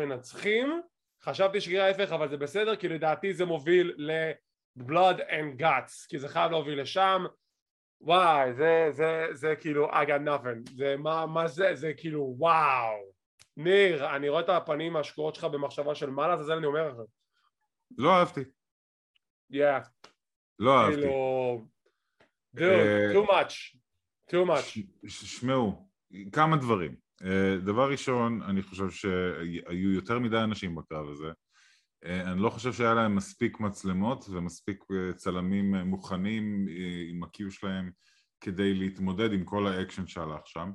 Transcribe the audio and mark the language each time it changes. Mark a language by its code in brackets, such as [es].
[he] מנצחים, חשבתי שגירה ההפך, אבל זה בסדר, כי לדעתי זה מוביל ל-Blood and Guts, כי זה חייב להוביל לשם, וואי, זה כאילו, [en] I got nothing, [he] זה מה זה, זה כאילו, וואו. ניר, אני רואה את הפנים השקועות שלך במחשבה של מה לזה, זה אני אומר לך. לא אהבתי. [en] Yeah. [he] לא אהבתי. [en] כאילו, dude, too much. Too much. [he] שמעו, כמה דברים. דבר ראשון, אני חושב שהיו יותר מדי אנשים בקרב הזה. אני לא חושב שהיה להם מספיק מצלמות ומספיק צלמים מוכנים עם הקיו שלהם כדי להתמודד עם כל האקשן שהלך שם.